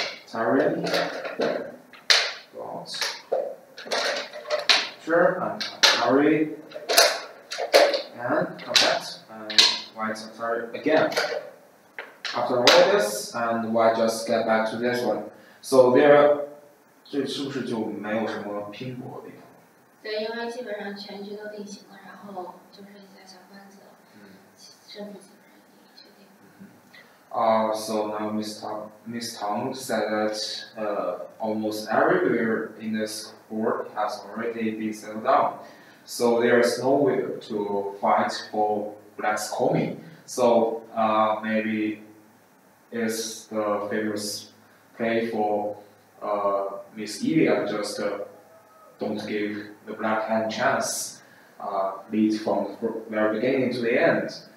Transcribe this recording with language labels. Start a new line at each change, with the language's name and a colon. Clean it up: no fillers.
English: Tyrion, go out. And hurry and come back and white hurry again. After all this, and white just get back to this one.
Chinese: So there, 这是不是就没有什么拼搏的地方？对，因为基本上全局都定型了，然后就剩下小关子了，胜负基本上已经确定。
English: So now Miss Tang said that almost everywhere in this. Board has already been settled down, so there is no way to fight for Black's coming. So maybe it's the famous play for Miss Ilya, just don't give the Black hand chance, lead from the very beginning to the end.